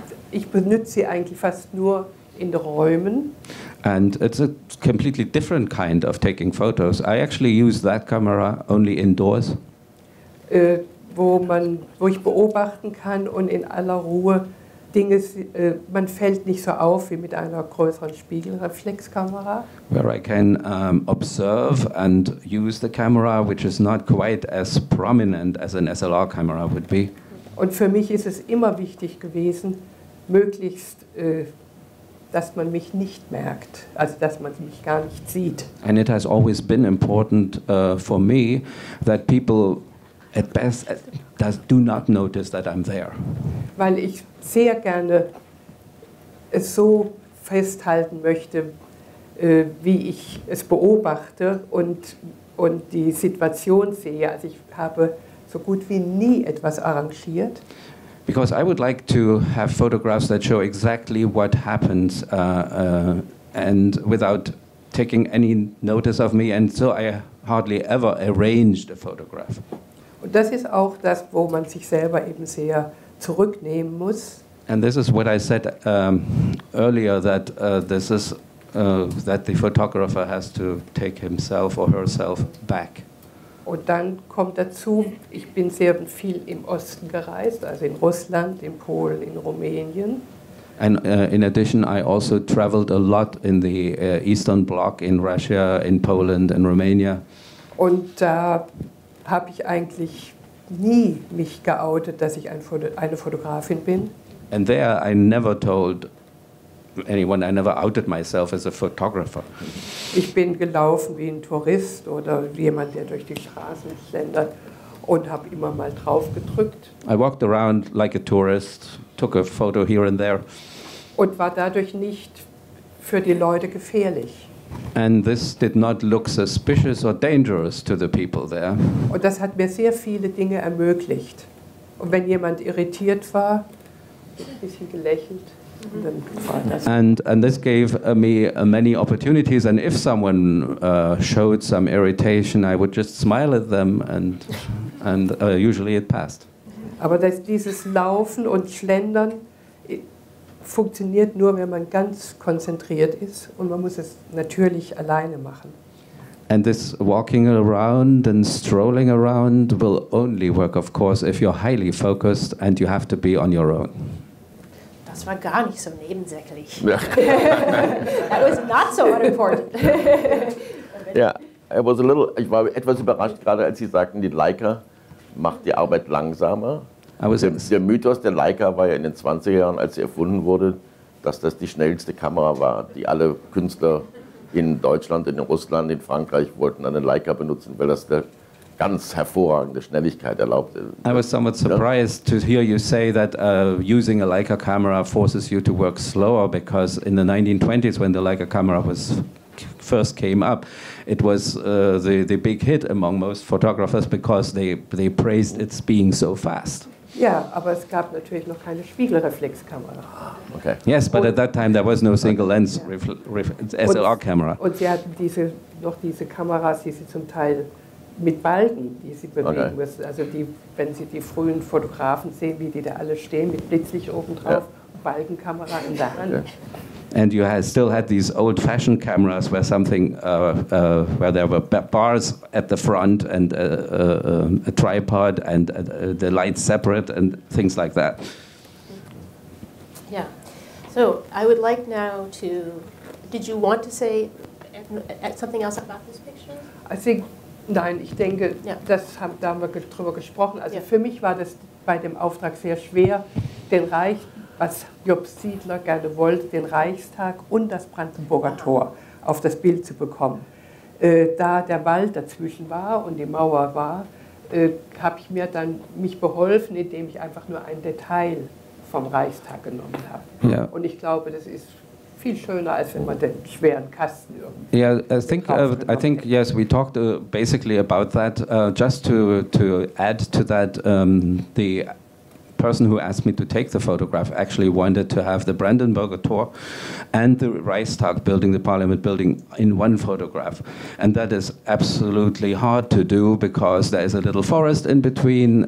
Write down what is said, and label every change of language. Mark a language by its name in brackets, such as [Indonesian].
[German] Ich benutze sie eigentlich fast nur in den Räumen. [English] And it's a completely different kind of taking photos. I actually use that camera only indoors. [German] Wo ich beobachten kann und in aller Ruhe Dinge, man fällt nicht so auf wie mit einer größeren Spiegelreflexkamera. [English] Where I can observe and use the camera, which is not quite as prominent as an SLR camera would be. [German] Und für mich ist es immer wichtig gewesen, möglichst dass man mich nicht merkt, also dass man mich gar nicht sieht. [English] And it has always been important for me that people at best, do not notice that I'm there. [German] Weil ich sehr gerne es so festhalten möchte, wie ich es beobachte und die Situation sehe. Also ich habe so gut wie nie etwas arrangiert. [English] Because I would like to have photographs that show exactly what happens and without taking any notice of me. And so I hardly ever arranged a photograph. [German] Und das ist auch das, wo man sich selber eben sehr zurücknehmen muss. [English] And this is what I said earlier, that this is that the photographer has to take himself or herself back. [German] Und dann kommt dazu, ich bin sehr viel im Osten gereist, also in Russland, in Polen, in Rumänien. [English] And in addition, I also traveled a lot in the Eastern Bloc, in Russia, in Poland, in Romania. [German] Und da habe ich eigentlich nie mich geoutet, dass ich eine Fotografin bin. [English] And there I never told anyone. I never outed myself as a photographer. [German] Ich bin gelaufen wie ein Tourist oder wie jemand, der durch die Straßen schlendert, und habe immer mal drauf gedrückt. [English] I walked around like a tourist, took a photo here and there. [German] Und war dadurch nicht für die Leute gefährlich. [English] And this did not look suspicious or dangerous to the people there. [German] Und das hat mir sehr viele Dinge ermöglicht. Und wenn jemand irritiert war, ein bisschen gelächelt, und dann war das. [English] And this gave me many opportunities. And if someone showed some irritation, I would just smile at them, and usually it passed. [German] Aber das, dieses Laufen und Schlendern funktioniert nur, wenn man ganz konzentriert ist, und man muss es natürlich alleine machen. [English] And this walking around and strolling around will only work, of course, if you're highly focused and you have to be on your own. [German] Das war gar nicht so nebensächlich. [English] That was not so unimportant. Yeah, I was a little, [German] ich war etwas überrascht, gerade als Sie sagten, die Leica macht die Arbeit langsamer. Der Mythos der Leica war ja in den 20er Jahren, als sie erfunden wurde, dass das die schnellste Kamera war, die alle Künstler in Deutschland, in Russland, in Frankreich wollten eine Leica benutzen, weil das der ganz hervorragende Schnelligkeit erlaubte. [English] I was somewhat surprised to hear you say that using a Leica camera forces you to work slower, because in the 1920s, when the Leica camera was first came up, it was the big hit among most photographers, because they praised its being so fast. [German] Ja, aber es gab natürlich noch keine Spiegelreflexkamera. [English] Okay. Yes, but at that time there was no single lens SLR camera. [German] Und sie hatten diese noch diese Kameras, die sie zum Teil mit Balken, die sie bewegen mussten. Also die, wenn Sie die frühen Fotografen sehen, wie die da alle stehen mit Blitzlicht oben drauf, Balkenkamera in der Hand. [English] And you had still had these old-fashioned cameras where something, where there were bars at the front and a tripod and the lights separate and things like that. Yeah. So I would like now to, did you want to say something else about this picture? I think, [German] nein, ich denke, das haben, da haben wir drüber gesprochen. Also für mich war das bei dem Auftrag sehr schwer, den Reich, was Job Siedler gerne wollte, den Reichstag und das Brandenburger Tor auf das Bild zu bekommen. Da der Wald dazwischen war und die Mauer war, habe ich mir dann mich beholfen, indem ich einfach nur ein Detail vom Reichstag genommen habe. [English] Yeah. [German] Und ich glaube, das ist viel schöner, als wenn man den schweren Kasten irgendwie. [English] Yes, we talked basically about that. Just to add to that, the person who asked me to take the photograph actually wanted to have the Brandenburger Tor and the Reichstag building, the Parliament building, in one photograph. And that is absolutely hard to do, because there is a little forest in between.